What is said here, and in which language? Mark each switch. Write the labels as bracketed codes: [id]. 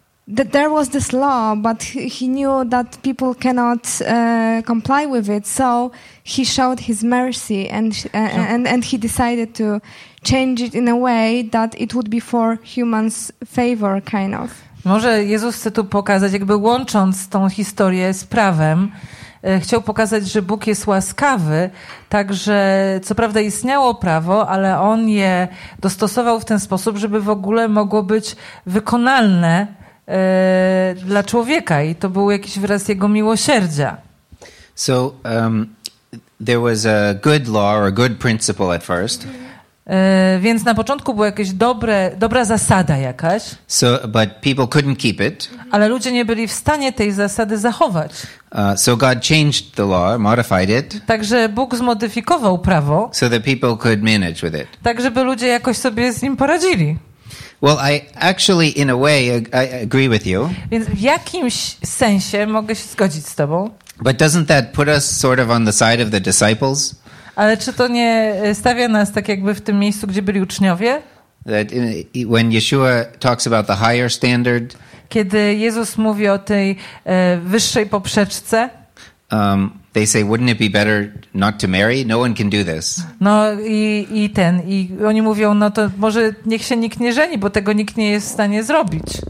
[en] that there was this law, but he knew that people cannot comply with it, so he showed his mercy and he decided to change it in a way that it would be for humans' favor, kind of. [pl] Może Jezus chce tu pokazać, jakby łącząc tą historię z prawem, chciał pokazać, że Bóg jest łaskawy, także co prawda istniało prawo, ale on je dostosował w ten sposób, żeby w ogóle mogło być wykonalne dla człowieka i to był jakiś wyraz jego miłosierdzia. [en] So there was a good law or a good principle at first. [pl] Więc na początku była jakaś dobra zasada jakaś. [en] So, but people couldn't keep it. [pl] Ale ludzie nie byli w stanie tej zasady zachować. [en] So God changed the law, modified it. [pl] Także Bóg zmodyfikował prawo. [en] So that people could manage with it. [pl] Tak żeby ludzie jakoś sobie z nim poradzili. [en] Well, I actually in a way I agree with you. [pl] Więc w jakimś sensie mogę się zgodzić z tobą. [en] But doesn't that put us sort of on the side of the disciples? [pl] Ale czy to nie stawia nas tak jakby w tym miejscu, gdzie byli uczniowie? [en] When Yeshua talks about the higher standard, [pl] kiedy Jezus mówi o tej wyższej poprzeczce, [en] they say, wouldn't it be better not to marry? No one can do this. [pl] No i oni mówią, no to może niech się nikt nie żeni, bo tego nikt nie jest w stanie zrobić.